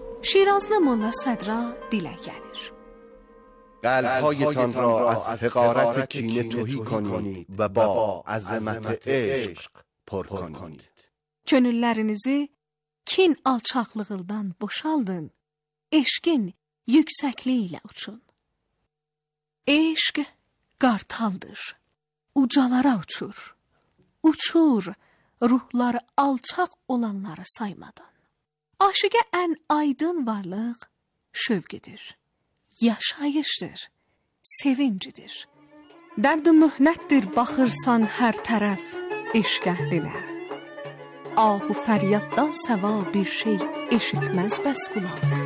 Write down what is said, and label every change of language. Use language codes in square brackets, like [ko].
[az] شیرازلı مولا صدرا دلə gəlir. [fa] قلب‌هایتان را از حقارت کینه توهی کنید و با عظمت عشق پر کنید. [az] könüllərinizi kin alçaqlığından boşaldın. Eşqin yüksəkliyi ilə uçun. Eşq qartaldır. Ucalara uçur. Uçur ruhları alçaq olanları saymadan. Aşiqə ən aydın varlıq şövqidir. Yaşayışdır, sevincidir. Dərd-ü mühnətdir baxırsan hər tərəf eşq əhlinə. Ahu fəryaddan səva bir şey eşitməz bəs qulaq.